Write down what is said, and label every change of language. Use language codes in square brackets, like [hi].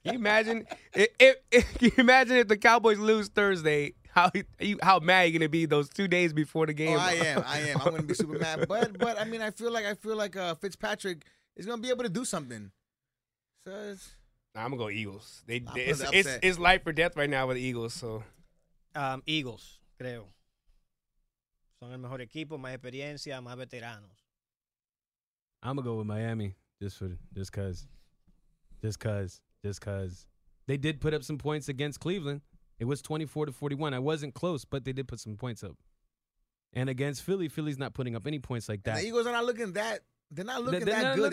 [en] Can you imagine if the Cowboys lose Thursday, how mad you going to be those 2 days before the game? Oh, I am. I'm going to be super mad. But I mean, I feel like Fitzpatrick is going to be able to do something. So it's, nah, I'm going to go Eagles. It's life or death right now with the Eagles. So. [es] Eagles, creo. Son el mejor equipo, más experiencia, más veteranos. [en] I'm going to go with Miami just because. They did put up some points against Cleveland. It was 24-41. I wasn't close, but they did put some points up. And against Philly, Philly's not putting up any points like that. And the Eagles are not looking that. They're not looking that good.